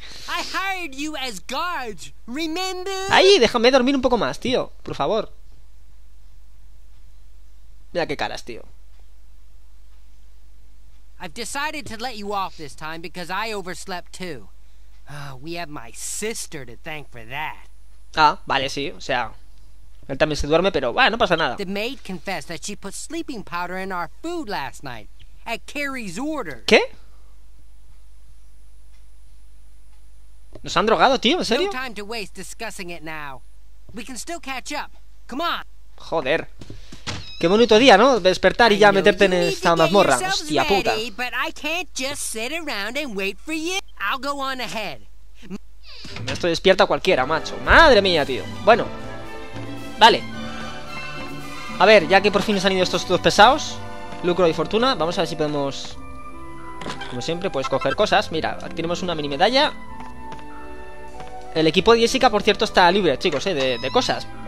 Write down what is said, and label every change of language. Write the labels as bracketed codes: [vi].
[en] I hired you as guards, remember? [es] Ahí, déjame dormir un poco más, tío, por favor. Mira qué caras, tío. [en] I've decided to let you off this time because I overslept too. We have my sister to thank for that. [es] Ah, vale, sí, o sea, él también se duerme, pero bueno, no pasa nada. [en] The maid confessed that she put sleeping powder in our food last night at Carrie's order. [es] ¿Qué? ¿Nos han drogado, tío? ¿En serio? [en] No time to waste discussing it now. We can still catch up. Come on. [es] Joder. Qué bonito día, ¿no? Despertar y ya meterte en esta mazmorra, hostia puta. [en] But I can't just sit around and wait for you. I'll go on ahead. [es] Esto despierta a cualquiera, macho. Madre mía, tío. Bueno, vale. A ver, ya que por fin nos han ido estos dos pesados, lucro y fortuna, vamos a ver si podemos, como siempre, pues coger cosas. Mira, aquí tenemos una mini medalla. El equipo de Jessica, por cierto, está libre, chicos, de cosas.